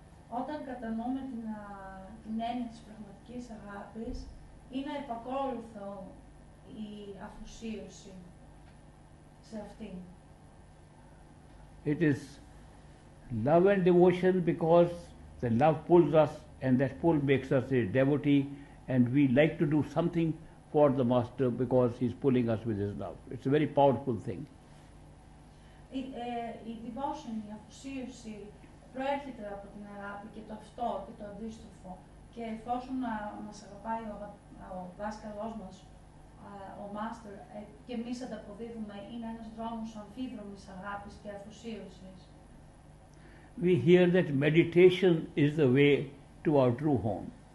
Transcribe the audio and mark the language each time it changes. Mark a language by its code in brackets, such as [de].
[el] Όταν κατανοούμε την έννοια της πραγματικής αγάπης, είναι επακόλουθο η αφοσίωση σε αυτήν. [en] It is love and devotion because the love pulls us and that pull makes us a devotee and we like to do something for the master because he's pulling us with his love. It's a very powerful thing. [el] Η devotion, η αφοσίωση προέρχεται από την αγάπη και το αυτό και το αντίστροφο. Και εφόσον μας αγαπάει ο δάσκαλός μας, ο master, και εμείς ανταποδίδουμε, είναι ένας δρόμος αμφίδρομης αγάπης και αφοσίωσης. [en] We hear that meditation is the way to our true home.